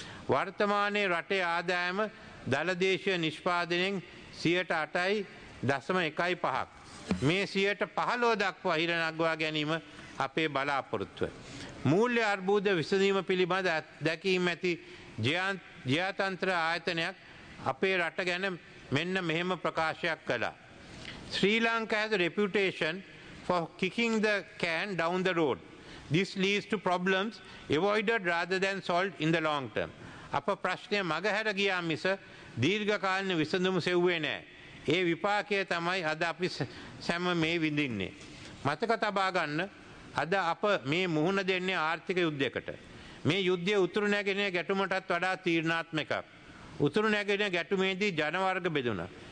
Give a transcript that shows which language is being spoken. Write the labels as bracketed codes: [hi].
[si] වර්තමානයේ රටේ ආදායම දළදේශීය නිෂ්පාදනයෙන් 8.15%. මේ 15% දක්වා හිර නගවා ගැනීම අපේ බලාපොරොත්තුව. මූල්‍ය අර්බුද විසඳීම පිළිබඳ දැකීම ඇති ජ්‍යාතන්ත්‍ර ආයතනයක් අපේ රට ගැන මෙන්න මෙහෙම ප්‍රකාශයක් කළා. [en] Sri Lanka has a reputation for kicking the can down the road. This leads to problems avoided rather than solved in the long term. [si] අප ප්‍රශ්නය මගහැර ගියා මිස දීර්ඝකාලීන විසඳුම සෙව්වේ නැහැ. ඒ විපාකය තමයි අද අපි සැම මේ විඳින්නේ. මතක තබා ගන්න, අද අප මේ මුහුණ දෙන්නේ ආර්ථික යුද්ධයකට. මේ යුද්ධයේ උතුරු නැගෙනහිර ගැටුමටත් වඩා තීරණාත්මකක්. උතුරු නැගෙනහිර ගැටුමේදී ජන වර්ග බෙදුණා.